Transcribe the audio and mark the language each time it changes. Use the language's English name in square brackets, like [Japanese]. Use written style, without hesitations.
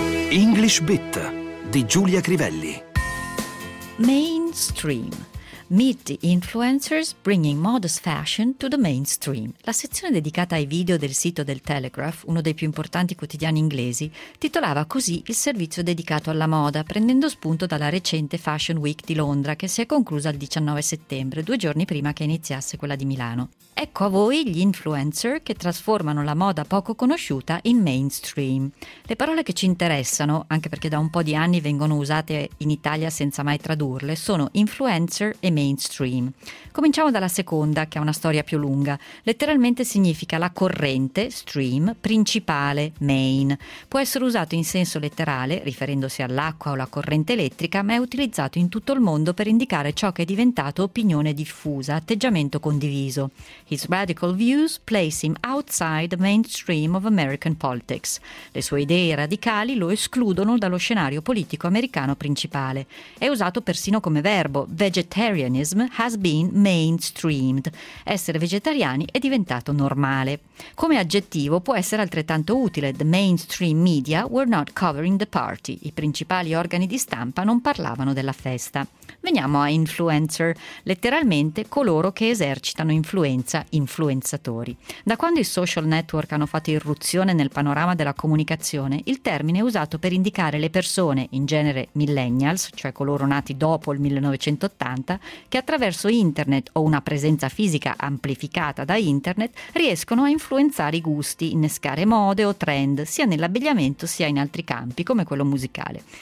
[Italian] English Bit di Giulia Crivelli. [English] Mainstream. Meet the influencers bringing modest fashion to the mainstream. [Italian] La sezione dedicata ai video del sito del Telegraph, uno dei più importanti quotidiani inglesi, titolava così il servizio dedicato alla moda, prendendo spunto dalla recente Fashion Week di Londra, che si è conclusa il 19 settembre, due giorni prima che iniziasse quella di Milano. Ecco a voi gli influencer che trasformano la moda poco conosciuta in mainstream. Le parole che ci interessano, anche perché da un po' di anni vengono usate in Italia senza mai tradurle, sono influencer e mainstream. Cominciamo dalla seconda, che ha una storia più lunga. Letteralmente significa la corrente, stream, principale, main. Può essere usato in senso letterale, riferendosi all'acqua o alla corrente elettrica, ma è utilizzato in tutto il mondo per indicare ciò che è diventato opinione diffusa, atteggiamento condiviso. [English] His radical views place him outside the mainstream of American politics. [Italian] Le sue idee radicali lo escludono dallo scenario politico americano principale. È usato persino come verbo. [English] Vegetarianism has been mainstreamed. [Italian] Essere vegetariani è diventato normale. Come aggettivo può essere altrettanto utile. [English] The mainstream media were not covering the party. [Italian] I principali organi di stampa non parlavano della festa. Veniamo a influencer, letteralmente coloro che esercitano influenza, influenzatori. Da quando i social network hanno fatto irruzione nel panorama della comunicazione, il termine è usato per indicare le persone, in genere millennials, cioè coloro nati dopo il 1980, che attraverso internet o una presenza fisica amplificata da internet riescono a influenzare i gusti, innescare mode o trend, sia nell'abbigliamento sia in altri campi, come quello musicale.